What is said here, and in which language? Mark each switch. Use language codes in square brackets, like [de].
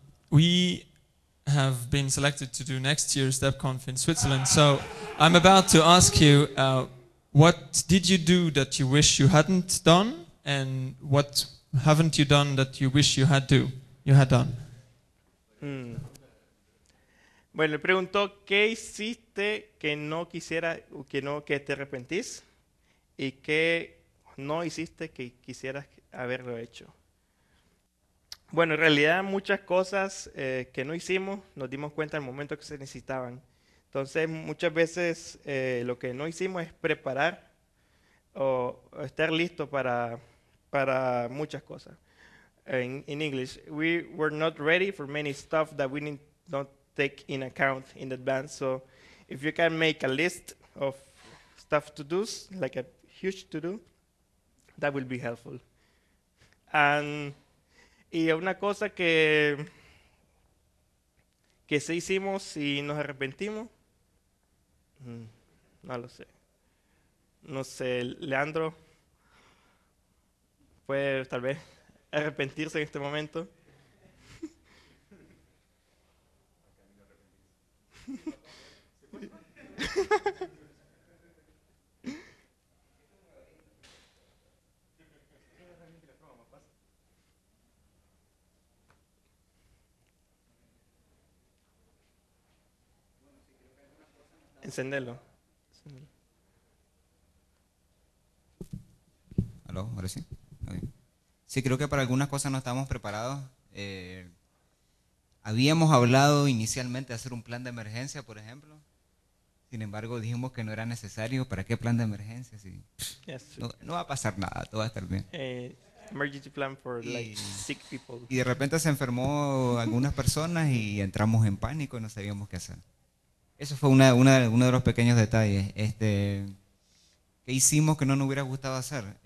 [en] We have been selected to do next year's DevConf in Switzerland, so I'm about to ask you, what did you do that you wish you hadn't done, and what haven't you done that you wish you had done? [es] Bueno, le preguntó qué hiciste que no quisiera o que no que te arrepentís y qué no hiciste que quisieras haberlo hecho. Bueno, en realidad muchas cosas que no hicimos nos dimos cuenta en el momento que se necesitaban. Entonces, muchas veces lo que no hicimos es preparar o estar listo para muchas cosas. En inglés, [en] we were not ready for many stuff that we did not take in account in advance. So, if you can make a list of stuff to do, like a huge to do, that will be helpful. [es] Y una cosa que sí hicimos y nos arrepentimos. No lo sé. No sé, Leandro puede tal vez arrepentirse en este momento. Encéndelo. ¿Aló? ¿Ahora sí? Sí, creo que para algunas cosas no estamos preparados. Habíamos hablado inicialmente de hacer un plan de emergencia, por ejemplo. Sin embargo, dijimos que no era necesario. ¿Para qué plan de emergencia? Sí. No va a pasar nada, todo va a estar bien. [en] Emergency plan for like sick people. [es] Y de repente se enfermó algunas personas y entramos en pánico y no sabíamos qué hacer. Eso fue uno de los pequeños detalles. ¿Qué hicimos que no nos hubiera gustado hacer?